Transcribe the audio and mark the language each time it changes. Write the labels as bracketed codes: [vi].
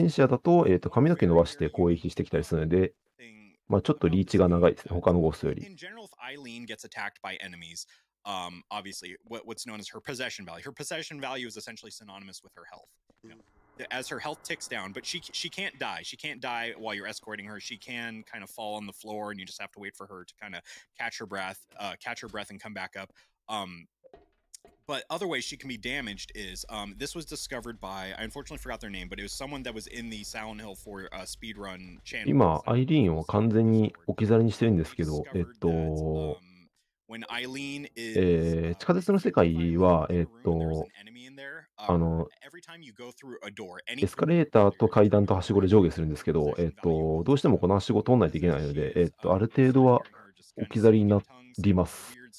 [ja] 戦車だと、髪の毛伸ばして攻撃してきたりするので、ちょっとリーチが長いですね、他のゴーストより。 [en] In general, if Eileen gets attacked by enemies, obviously, what's known as her possession value. Her possession value is essentially synonymous with her health. As her health ticks down, but she can't die. She can't die while you're escorting her. She can kind of fall on the floor, and you just have to wait for her to kind of catch her breath and come back up. But other ways she can be damaged is, this was discovered by, I unfortunately forgot their name, but it was someone that was in the Silent Hill 4 speedrun channel. [ja] 今、アイリーンを完全に置き去りにしてるんですけど、地下鉄の世界は、エスカレーターと階段とはしごで上下するんですけど、どうしてもこのはしごを通らないといけないので、ある程度は置き去りになります。